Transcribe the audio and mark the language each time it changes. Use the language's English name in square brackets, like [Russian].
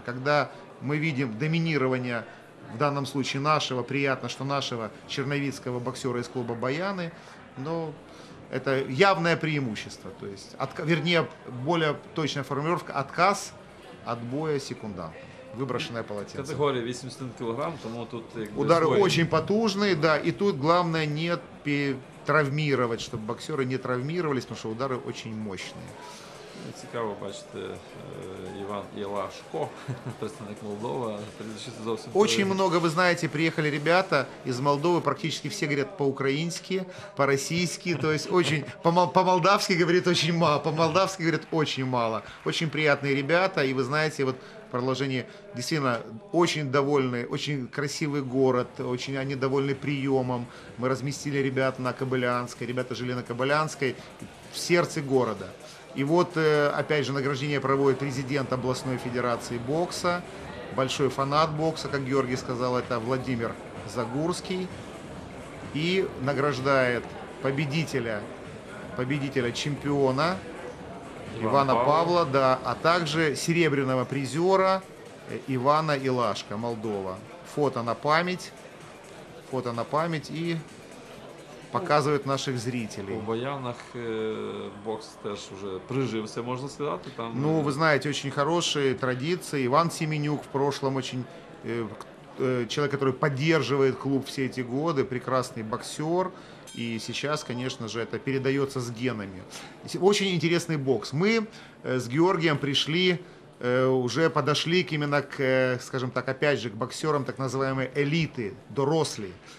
[Russian] Когда мы видим доминирование, в данном случае нашего, приятно, что нашего черновицкого боксера из клуба «Баяны», но это явное преимущество, то есть, вернее, более точная формулировка — отказ от боя секунданта, выброшенное полотенце. Категория 81 килограмм, тому тут удары очень потужные, да, и тут главное не травмировать, чтобы боксеры не травмировались, потому что удары очень мощные. [Ukrainian] Цікаво бачити Іван Єлашко, представник Молдова. [Russian] Очень много, вы знаете, приехали ребята из Молдовы, практически все говорят по-украински, по-российски, то есть очень, по-молдавски говорит очень мало, по-молдавски говорит очень мало. Очень приятные ребята, и вы знаете, вот продолжение, действительно, очень довольны, очень красивый город, очень они довольны приемом. Мы разместили ребят на Кобылянской, ребята жили на Кобылянской, в сердце города. И вот, опять же, награждение проводит президент областной федерации бокса, большой фанат бокса, как Георгий сказал, это Владимир Загурский. И награждает победителя чемпиона Ивана Павла, да, а также серебряного призера Ивана Илашко, Молдова. Фото на память и... показують наших зрителей. [Ukrainian] У Баянах бокс теж вже прижився, можна сказати. Ну, ви знаєте, очень хороші традиції. Іван Семенюк в прошлом очень [Russian] человек, который поддерживает клуб все эти годы, прекрасный боксер. И сейчас, конечно же, это передается с генами. Очень интересный бокс. Мы с Георгием пришли, уже подошли именно к, скажем так, опять же, к боксерам так называемой элиты, дорослые.